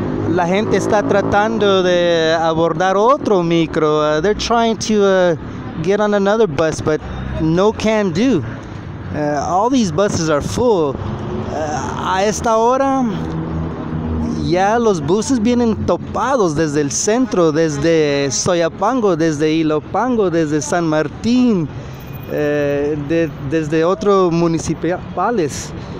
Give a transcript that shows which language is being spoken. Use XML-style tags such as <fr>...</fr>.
<es>La gente está tratando de abordar otro micro.</es> <en>They're trying to get on another bus, but no can do. All these buses are full.</en> <es>A esta hora, ya los buses vienen topados desde el centro, desde Soyapango, desde Ilopango, desde San Martín, desde otros municipales.</es>